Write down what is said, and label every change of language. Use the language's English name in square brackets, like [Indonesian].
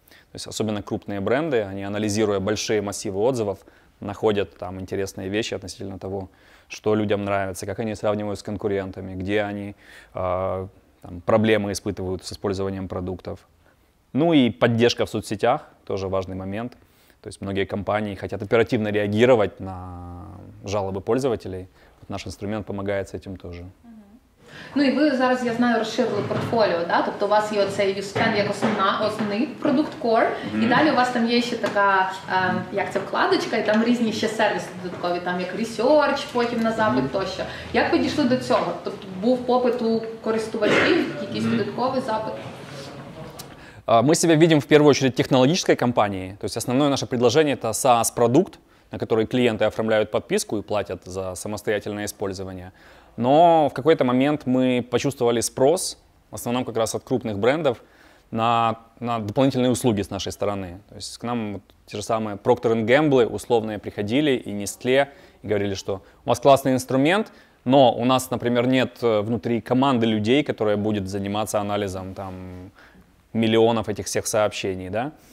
[Russian] То есть особенно крупные бренды, они, анализируя большие массивы отзывов, находят там интересные вещи относительно того, что людям нравится, как они сравнивают с конкурентами, где они там, проблемы испытывают с использованием продуктов. Ну и поддержка в соцсетях, тоже важный момент. То есть многие компании хотят оперативно реагировать на жалобы пользователей. Вот наш инструмент помогает с этим тоже. [Ukrainian] Ну і ви зараз, я знаю, розширили портфоліо, да? Тобто у вас є оцей YouScan як основний продукт core, і далі у вас там є ще така, як це, вкладочка, і там різні ще сервіси додаткові, там як research, потім на запит тощо. Як ви дійшли до цього? Тобто був попит у користувачів, якийсь додатковий запит? Ми себе бачимо в першу чергу технологічною компанією, тобто основне наше предложення – це SaaS-продукт, на який клієнти оформляють підписку і платять за самостійне використання. [Russian] Но в какой-то момент мы почувствовали спрос, в основном как раз от крупных брендов, на дополнительные услуги с нашей стороны. То есть к нам вот те же самые Procter & Gamble условные приходили и Nestle, и говорили, что у вас классный инструмент, но у нас, например, нет внутри команды людей, которая будет заниматься анализом там, миллионов этих всех сообщений. Да?